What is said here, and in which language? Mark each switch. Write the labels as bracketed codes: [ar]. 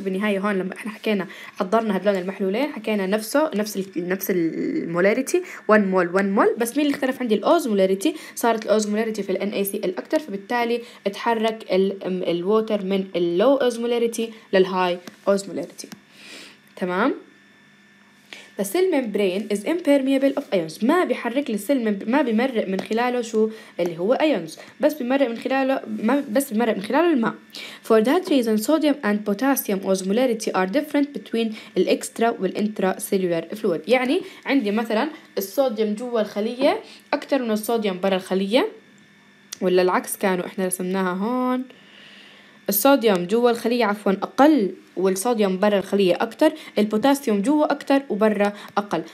[ar] وبالنهاية هون لما إحنا حكينا حضرنا هذلون المحلولين حكينا نفس المولاريتي 1 مول 1 مول، بس مين اللي اختلف عندي؟ الأوزمولاريتي، صارت الأوزمولاريتي في الـ NaCl أكتر، فبالتالي اتحرك الووتر من اللو أوزمولاريتي للهاي أوزمولاريتي. تمام، [en] the cell membrane is impermeable of ions، [ar] ما بيحرك للسيل ما بيمرق من خلاله شو اللي هو ions، بس بيمرق من خلاله الماء. [en] for that reason sodium and potassium osmolarity are different between the extra and the intracellular fluid. [ar] يعني عندي مثلا الصوديوم جوا الخلية أكتر من الصوديوم برا الخلية، ولا العكس كانوا احنا رسمناها هون الصوديوم جوا الخلية عفواً أقل والصوديوم برا الخلية أكتر، البوتاسيوم جوا أكتر وبرا أقل.